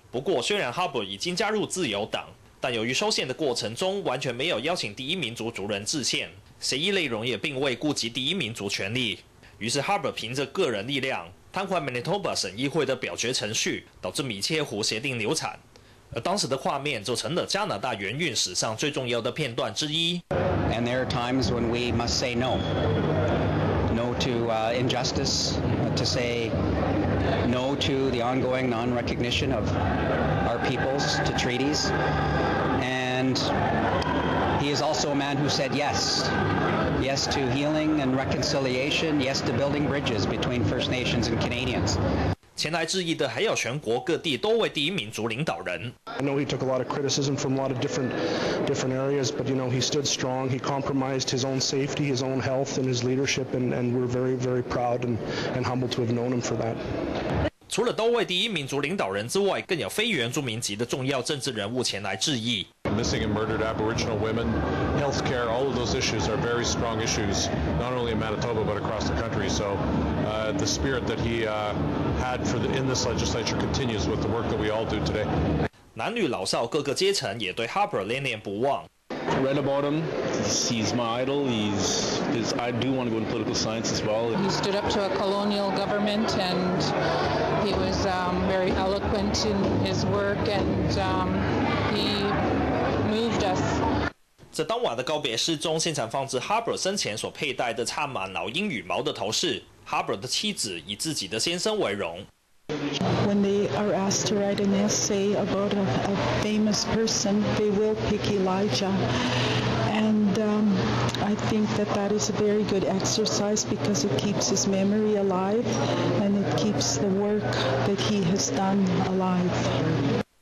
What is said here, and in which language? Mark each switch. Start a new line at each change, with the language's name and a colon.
Chinese: 不过虽然 Harper 已经加入自由党，但由于修宪的过程中完全没有邀请第一民族族人致宪，协议内容也并未顾及第一民族权利，于是 Harper 凭着个人力量瘫痪 Manitoba 省议会的表决程序，导致米切湖协定流产，而当时的画面就成了加拿大援运史上最重要的片段之一。
English: And there are times when we must say no, no to injustice, to say no to the ongoing non-recognition of our peoples to treaties. And he is also a man who said yes. Yes to healing and reconciliation. Yes to building bridges between First Nations and Canadians.
Chinese: 前来致意的还有全国各地多位第一民族领导人。
English: I know he took a lot of criticism from a lot of different areas, but you know he stood strong. He compromised his own safety, his own health, and his leadership, and we're very, very proud and humbled to have known him for that.
Chinese: 除了多位第一民族领导人之外，更有非原住民籍的重要政治人物前来致意。
English: Missing and murdered Aboriginal women, health care, all of those issues are very strong issues, not only in Manitoba, but across the country. So the spirit that he had for in this legislature continues with the work that we all do today.
Chinese: 男女老少各个阶层也对 Harper 念念不忘。
English: Read about him. He's my idol. I do want to go into political science as well. He stood up to a colonial government, and he was very eloquent in his work, and he moved us.
Chinese: 在当晚的告别式中，现场放置 Harper 生前所佩戴的插满老鹰羽毛的头饰。 Harper 的妻子以自己的先生为荣。
English: When they are asked to write an essay about a famous person, they will pick Elijah. And I think that is a very good exercise because it keeps his memory alive and it keeps the work that he has done alive.